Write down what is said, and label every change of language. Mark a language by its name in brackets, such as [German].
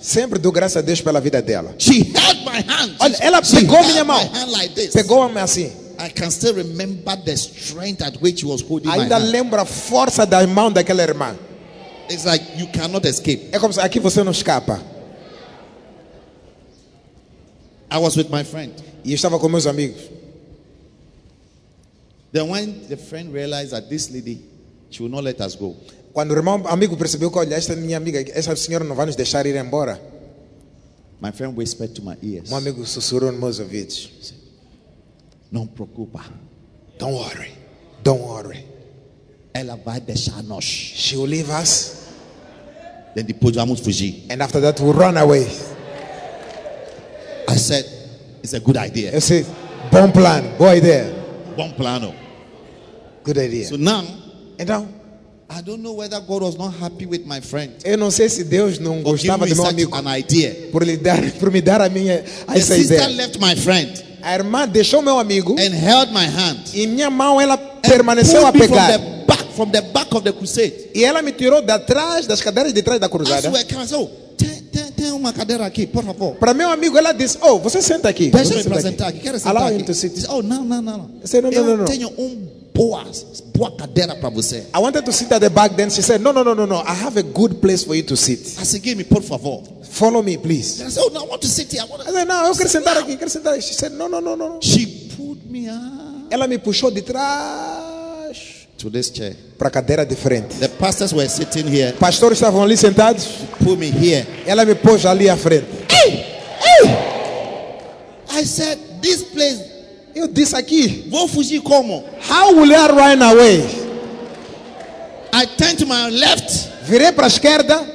[Portuguese] Sempre dou graças a Deus pela vida dela. [English] She held my hand. [Portuguese] Olha, ela pegou minha mão. [English] My hand like this. [Portuguese] Pegou a mão assim. [English] I can still remember the strength at which she was holding [Portuguese] ainda [English] my hand. [Portuguese] Lembro a força da mão daquela irmã. [English] It's like you cannot escape. [Portuguese] É como se aqui você não escapa. [English] I was with my friend. [Portuguese] E eu estava com meus amigos. [English] Then when the friend realized that this lady, she will not let us go. [Portuguese] Quando o irmão amigo percebeu que olha esta minha amiga, essa senhora não vai nos deixar ir embora. [English] My friend whispered to my ears. [Portuguese] Meu amigo sussurrou nos meus ouvidos. Não preocupa. [English] Don't worry. [Portuguese] Ela vai deixar nós. [English] She will leave us. [Portuguese] Then depois vamos fugir. [English] And after that we'll run away. I said, it's a good idea. [Portuguese] Eu disse, bom plano, boa ideia. Bom plano. [English] Good idea. So now, and now, I don't know whether God was not happy with my friend. [Portuguese] Eu não sei se Deus não gostava do meu amigo. [English] An idea. [Portuguese] Por me dar a minha essa ideia. [English] The sister left my friend. [Portuguese] A irmã deixou meu amigo. [English] And held my hand. [Portuguese] E minha mão ela permaneceu a pegar. [English] Pulled me from the back of the crusade. [Portuguese] E ela me tirou da trás das cadeiras de trás da cruzada. [English] As we came, so [Portuguese] tem uma cadeira aqui, por favor. Para meu amigo ela disse, oh, você senta aqui. Deixa eu me apresentar aqui. Quero sentar. [English] Allow him to sit. [Portuguese] Oh, não. [English] Eu said, no. [Portuguese] Eu tenho boa cadeira para você. [English] I wanted to sit at the back, then she said, no. I have a good place for you to sit. [Portuguese] Segue me, por favor. [English] Follow me, please. I said, oh, no, I want to sit here. [Portuguese] Eu quero sentar aqui. [English] She said, no. She pulled me up. [Portuguese] Ela me puxou de trás. [English] To this chair. [Portuguese] Para a cadeira de frente. [English] The pastors were sitting here. [Portuguese] Pastores estavam ali sentados. [English] She put me here. [Portuguese] Ela me pôs ali à frente. [English] Hey! I said, this place. [Portuguese] Eu disse aqui. Vou fugir como? [English] How will I run away? I turned to my left. [Portuguese] Virei para a esquerda.